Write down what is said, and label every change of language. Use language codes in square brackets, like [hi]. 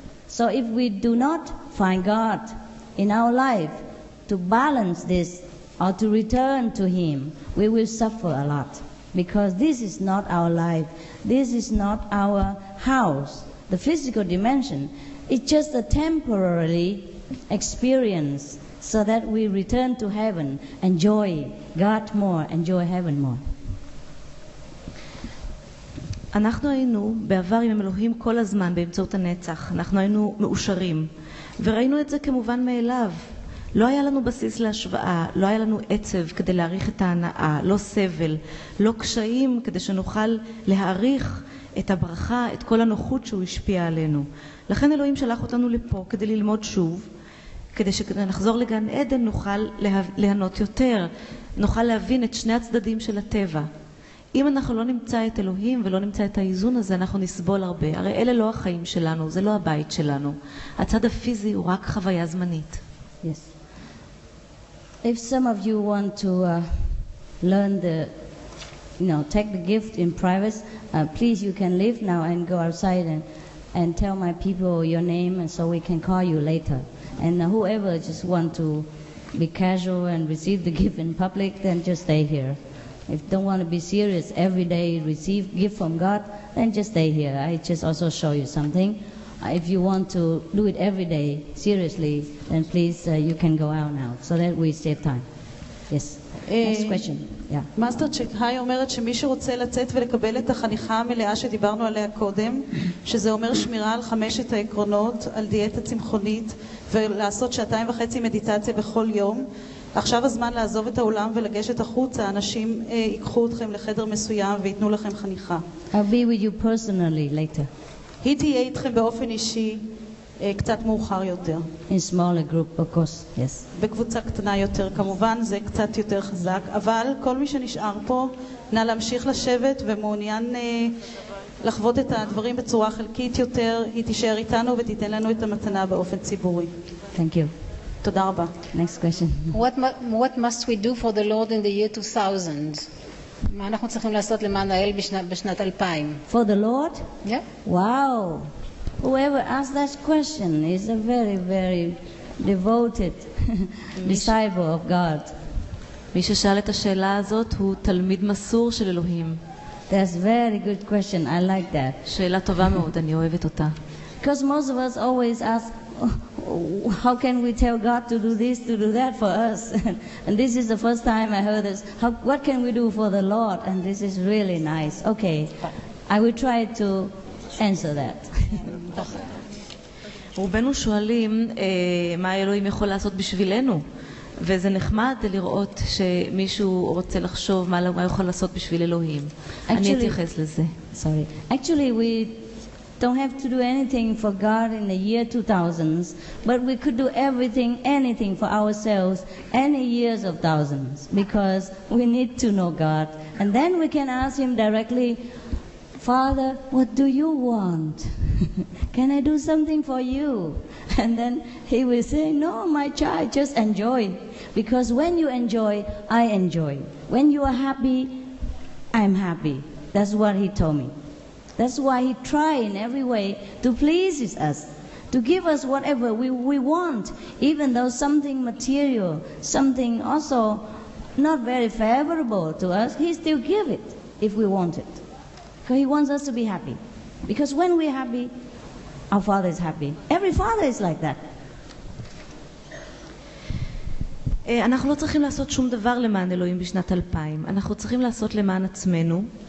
[en] So if we do not find God in our life to balance this or to return to Him, we will suffer a lot, because this is not our life. This is not our house. The physical dimension, it's just a temporary experience, so that we return to heaven, enjoy God more, enjoy heaven more. [he] אנחנו היינו בעבר עם אלוהים כל הזמן באמצעות הנצח. אנחנו היינו מאושרים. וראינו את זה כמובן מאליו. לא היה לנו בסיס להשוואה, לא היה לנו עצב כדי להעריך את ההנאה, לא סבל, לא קשיים כדי שנוכל להעריך את הברכה, את כל הנוחות שהוא השפיע עלינו. לכן אלוהים שלח אותנו לפה כדי ללמוד שוב, כדי שנחזור לגן עדן נוכל להנות יותר, נוכל להבין את שני הצדדים של הטבע. אם אנחנו לא נמצא את אלוהים ולא נמצא את האיזון הזה, אנחנו נסבול הרבה. הרי אלה לא החיים שלנו, זה לא הבית שלנו. הצד הפיזי הוא רק חוויה זמנית. [en] Yes. If some of you want to learn the, you know, take the gift in private, please you can leave now and go outside and tell my people your name, and so we can call you later. And whoever just want to be casual and receive the gift in public, then just stay here. If you don't want to be serious every day, receive gift from God, then just stay here. I just also show you something. If you want to do it every day, seriously, then please, you can go out now, so that we save time. Yes, next question. [he] מאסטר צ'קהאי אומרת שמי שרוצה לצאת ולקבל את החניכה המלאה שדיברנו עליה קודם, שזה אומר שמירה על חמשת העקרונות, על דיאטה צמחונית, ולעשות שעתיים וחצי מדיטציה בכל יום, עכשיו הזמן לעזוב את העולם ולגשת החוצה, אנשים ייקחו אתכם לחדר מסוים ויתנו לכם חניכה. [en] I'll be with you personally later. [he] היא תהיה איתכם באופן אישי קצת מאוחר יותר. [en] In smaller group, of course, yes. [he] בקבוצה קטנה יותר, כמובן, זה קצת יותר חזק. אבל כל מי שנשאר פה, נא להמשיך לשבת ומעוניין לחוות את הדברים בצורה חלקית יותר. היא תישאר איתנו ותיתן לנו את המתנה באופן ציבורי. [en] Thank you. [he] תודה רבה. [en] Next question. What must we do for the Lord in the year 2000? [he] מה אנחנו צריכים לעשות למען האל בשנת 2000? [en] For the Lord? Yeah. Wow. Whoever asked that question is a very, very devoted disciple of God. [he] מי ששאל את השאלה הזאת הוא תלמיד מסור של אלוהים. [en] That's a very good question. I like that. [he] שאלה טובה מאוד, אני אוהבת אותה. [en] Because most of us always ask, how can we tell God to do this, to do that for us? And this is the first time I heard this. What can we do for the Lord? And this is really nice. Okay, I will try to answer that. [he] רובנו שואלים מה אלוהים יכול לעשות בשבילנו, וזה נחמד לראות שמישהו רוצה לחשוב מה הוא יכול לעשות בשביל אלוהים. אני אתייחס לזה. [en] Sorry. Actually, we don't have to do anything for God in the year 2000s, but we could do everything, anything for ourselves any years of thousands, because we need to know God, and then we can ask Him directly, Father, what do you want? Can I do something for you? And then He will say, no, my child, just enjoy, because when you enjoy, I enjoy. When you are happy, I'm happy. That's what He told me. That's why He tried in every way to please us, to give us whatever we want, even though something material, something also not very favorable to us, He still give it if we want it. Because He wants us to be happy. Because when we're happy, our Father is happy. Every father is like that. [he] אנחנו לא צריכים לעשות שום דבר למען אלוהים בשנת 2000. אנחנו צריכים לעשות למען עצמנו.